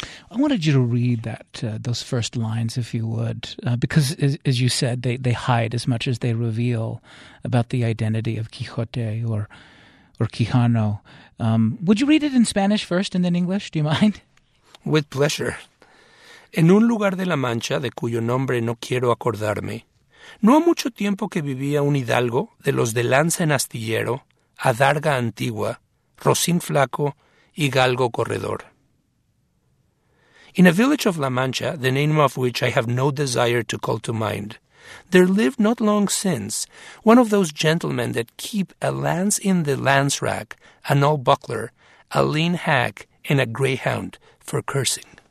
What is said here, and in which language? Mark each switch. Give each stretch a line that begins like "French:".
English: I wanted you to read that those first lines, if you would, because, as you said, they hide as much as they reveal about the identity of Quixote or Quijano. Would you read it in Spanish first and then English? Do you mind? With pleasure.
Spanish: En un lugar de La Mancha, de cuyo nombre no quiero acordarme, no ha mucho tiempo que vivía un hidalgo de los de lanza en astillero, adarga antigua, rocín flaco y galgo corredor.
English: In a village of La Mancha, the name of which I have no desire to call to mind, there lived not long since one of those gentlemen that keep a lance in the lance rack, an old buckler, a lean hack, and a greyhound for cursing.